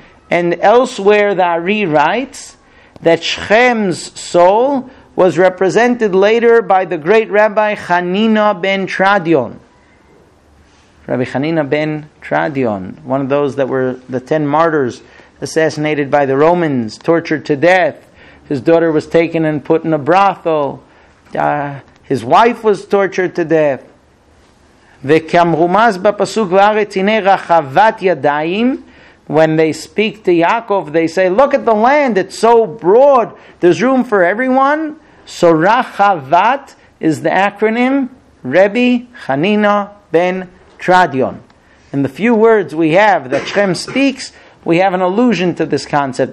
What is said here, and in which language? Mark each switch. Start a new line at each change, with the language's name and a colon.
English: And elsewhere, the Ari writes that Shechem's soul was represented later by the great Rabbi Chanina ben Tradion. Rabbi Hanina ben Tradion, one of those that were the 10 martyrs assassinated by the Romans, tortured to death. His daughter was taken and put in a brothel. His wife was tortured to death.
Hebrew: וכמרומז בפסוק וארץ הנה רחבת ידיים.
English: When they speak to Yaakov, they say, look at the land, it's so broad, there's room for everyone. So Rachavat is the acronym, Rabbi Hanina ben Tradion. In the few words we have that Shechem speaks, we have an allusion to this concept.